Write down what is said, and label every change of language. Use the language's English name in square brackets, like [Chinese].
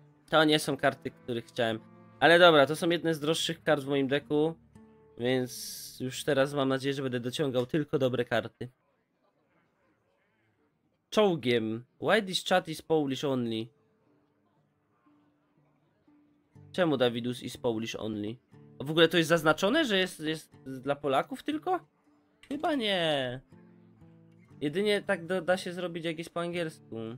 [Polish] To nie są karty, których chciałem. Ale dobra, to są jedne z droższych kart w moim deku. Więc już teraz mam nadzieję, że będę dociągał tylko dobre karty. Czołgiem. [English] Why this chat is Polish only? [Polish] Czemu [English] Dawidus is Polish only? [Polish] W ogóle to jest zaznaczone, że jest dla Polaków tylko? Chyba nie. Jedynie tak da się zrobić, jak jest po angielsku.